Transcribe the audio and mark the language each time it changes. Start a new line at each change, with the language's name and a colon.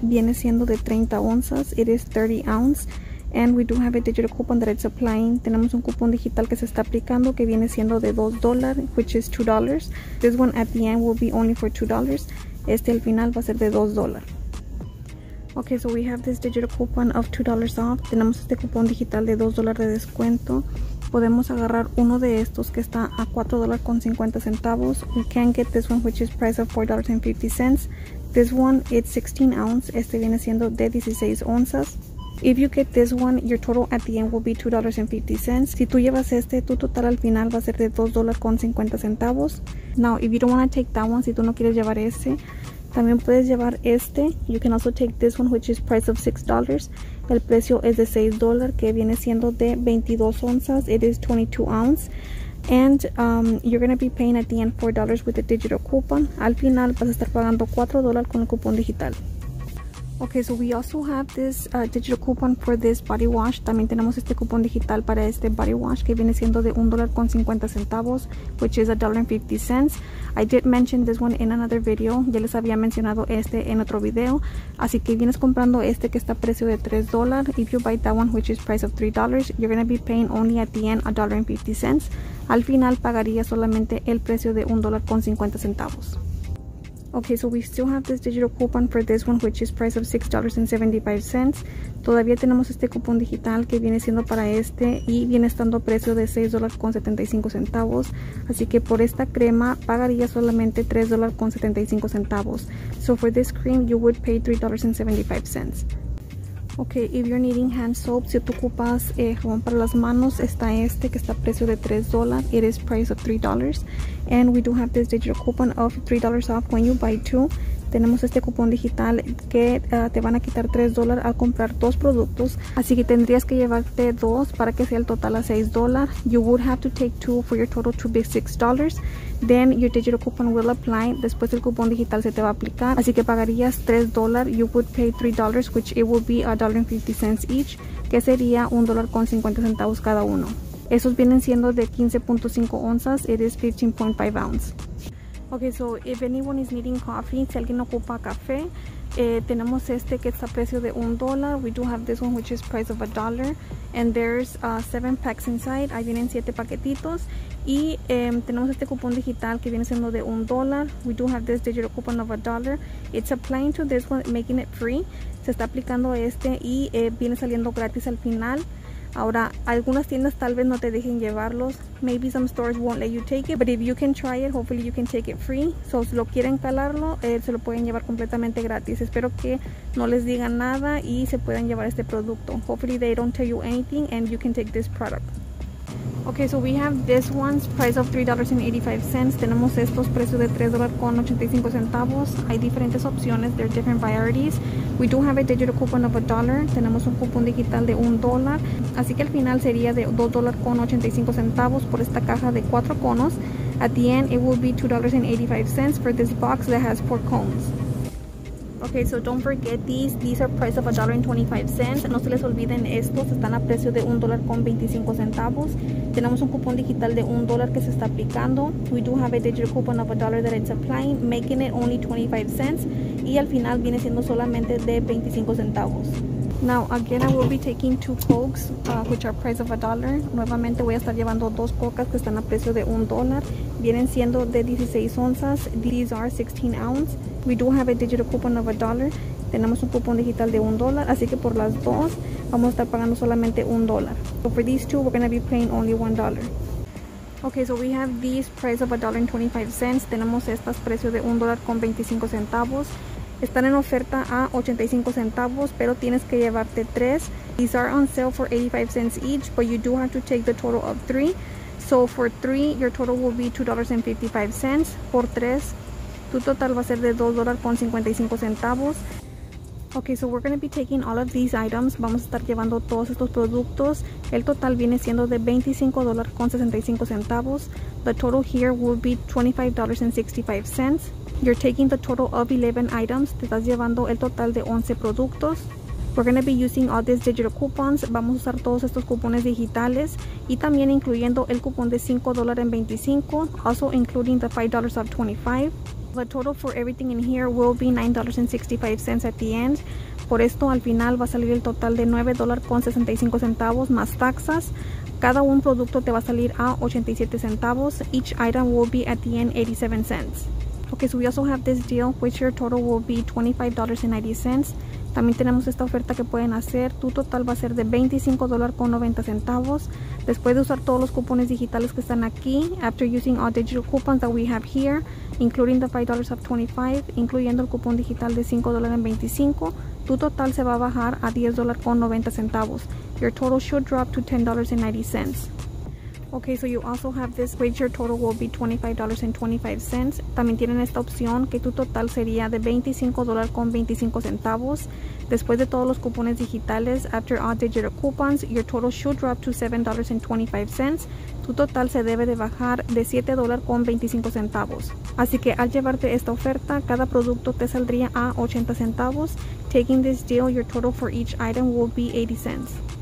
Spanish: Viene siendo de 30 onzas.
English: It is 30 ounces. And we do have a digital coupon that it's applying.
Spanish: Tenemos un cupón digital que se está aplicando que viene siendo de $2,
English: which is $2. This one at the end will be only for $2.
Spanish: Este al final va a ser de $2.
English: Okay, so we have this digital coupon of $2 off.
Spanish: Tenemos este cupón digital de $2 de descuento. Podemos agarrar uno de estos que está a $4.50.
English: We can get this one, which is price of $4.50. This one, it's 16 ounces.
Spanish: Este viene siendo de 16 onzas.
English: If you get this one, your total at the end will be $2.50.
Spanish: Si tú llevas este, tu total al final va a ser de $2.50.
English: Now, if you don't want to take that one,
Spanish: si tú no quieres llevar ese, también puedes llevar este.
English: You can also take this one, which is price of $6.
Spanish: El precio es de $6, que viene siendo de 22 onzas.
English: It is 22 ounces. And you're going to be paying at the end $4 with a digital coupon.
Spanish: Al final vas a estar pagando $4 con el cupón digital.
English: Okay, so we also have this digital coupon for this body wash.
Spanish: También tenemos este cupón digital para este body wash que viene siendo de $1.50,
English: which is $1.50. I did mention this one in another video.
Spanish: Ya les había mencionado este en otro video. Así que vienes comprando este que está a precio de $3.
English: If you buy that one, which is price of $3, you're going to be paying only at the end $1.50.
Spanish: Al final pagaría solamente el precio de $1.50.
English: Okay, so we still have this digital coupon for this one, which is price of $6.75.
Spanish: Todavía tenemos este cupón digital que viene siendo para este y viene estando a precio de $6.75. Así que por esta crema pagaría solamente $3.75.
English: So for this cream, you would pay $3.75. Okay, if you're needing hand soap,
Spanish: si tú ocupas jabón para las manos, está este que está a precio de $3.
English: It is price of $3. And we do have this digital coupon of $3 off when you buy two.
Spanish: Tenemos este cupón digital que te van a quitar $3 al comprar dos productos. Así que tendrías que llevarte dos para que sea el total a $6.
English: You would have to take two for your total to be $6. Then your digital coupon will apply.
Spanish: Después el cupón digital se te va a aplicar. Así que pagarías $3.
English: You would pay $3, which it will be $1.50 each.
Spanish: Que sería $1.50 cada uno. Esos vienen siendo de 15.5 onzas.
English: It is 15.5 ounces. Okay, so if anyone is needing coffee,
Spanish: si alguien ocupa café, tenemos este que está a precio de $1.
English: We do have this one, which is price of $1. And there's 7 packs inside.
Spanish: Ahí vienen 7 paquetitos. Y tenemos este cupón digital que viene siendo de $1.
English: We do have this digital coupon of $1. It's applying to this one, making it free.
Spanish: Se está aplicando este y viene saliendo gratis al final. Ahora, algunas tiendas tal vez no te dejen llevarlos.
English: Maybe some stores won't let you take it. But if you can try it, hopefully you can take it free.
Spanish: So, si lo quieren calarlo, se lo pueden llevar completamente gratis. Espero que no les digan nada y se puedan llevar este producto.
English: Hopefully they don't tell you anything and you can take this product. Okay, so we have this one's price of $3.85.
Spanish: Tenemos estos precios de $3.85. Hay diferentes opciones.
English: There are different varieties. We do have a digital coupon of $1.
Spanish: Tenemos un cupón digital de $1. Así que al final sería de $2.85 por esta caja de 4 conos.
English: At the end, it will be $2.85 for this box that has 4 cones. Okay, so don't forget these are price of $1.25.
Spanish: No se les olviden estos, están a precio de $1.25. Tenemos un cupón digital de $1 que se está aplicando.
English: We do have a digital coupon of $1 that it's applying, making it only 25 cents,
Spanish: y al final viene siendo solamente de 25 centavos.
English: Now again, I will be taking 2 cokes which are price of $1.
Spanish: Nuevamente voy a estar llevando 2 cocas que están a precio de $1. Vienen siendo de 16 onzas.
English: These are 16 ounces. We do have a digital coupon of $1.
Spanish: Tenemos un cupón digital de $1, así que por las dos vamos a estar pagando solamente $1.
English: So for these two, we're going to be paying only $1. Okay, so we have these price of $1.25.
Spanish: Tenemos estas precio de $1.25. Están en oferta a 85 centavos, pero tienes que llevarte 3.
English: These are on sale for 85 cents each, but you do have to take the total of 3. So for 3, your total will be $2.55.
Spanish: Por 3, tu total va a ser de $2.55.
English: Okay, so we're going to be taking all of these items.
Spanish: Vamos a estar llevando todos estos productos. El total viene siendo de $25.65.
English: The total here will be $25.65. You're taking the total of 11 items.
Spanish: Te estás llevando el total de 11 productos.
English: We're going to be using all these digital coupons.
Spanish: Vamos a usar todos estos cupones digitales. Y también incluyendo el cupón de $5.25.
English: Also including the $5.25. The total for everything in here will be $9.65 at the end.
Spanish: Por esto al final va a salir el total de $9.65 más taxas. Cada un producto te va a salir a 87 centavos.
English: Each item will be at the end 87 cents. Okay, so we also have this deal, which your total will be $25.90.
Spanish: También tenemos esta oferta que pueden hacer. Tu total va a ser de $25.90. Después de usar todos los cupones digitales que están aquí,
English: after using all digital coupons that we have here, including the $5 of 25,
Spanish: incluyendo el cupón digital de $5.25, tu total se va a bajar a $10.90.
English: Your total should drop to $10.90. Okay, so you also have this which your total will be $25.25.
Spanish: También tienen esta opción que tu total sería de $25.25. Después de todos los cupones digitales,
English: after all digital coupons, your total should drop to $7.25.
Spanish: Tu total se debe de bajar de $7.25. Así que al llevarte esta oferta, cada producto te saldría a 80 centavos.
English: Taking this deal, your total for each item will be 80 cents.